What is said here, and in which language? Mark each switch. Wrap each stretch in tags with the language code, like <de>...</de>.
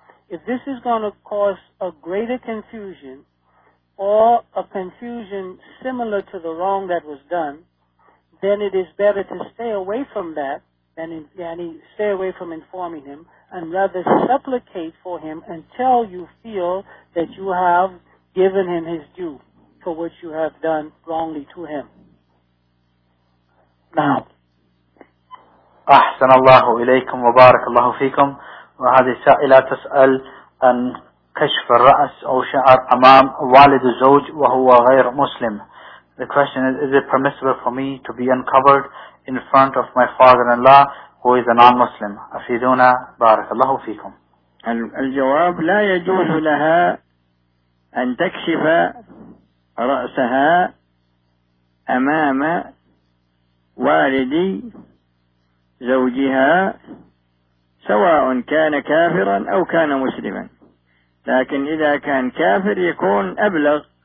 <en>if this is going to cause a greater confusion or a confusion similar to the wrong that was done, then it is better to stay away from that than stay away from informing him, and rather supplicate for him until you feel that you have given him his due for what you have done wrongly to him. Now,</en> <ar>أحسن الله إليكم وبارك الله فيكم. وهذه السائلة تسأل عن كشف الرأس أو شعر أمام والد الزوج وهو غير مسلم.</ar> <en>The question is it permissible for me to be uncovered in front of my father-in-law who is a non-Muslim?</en> <ar>أفيدونا بارك الله فيكم. الجواب لا يجوز لها أن تكشف رأسها أمام والدي زوجها سواء كان كافرا أو كان مسلما، لكن إذا كان كافر يكون أبلغ.</ar>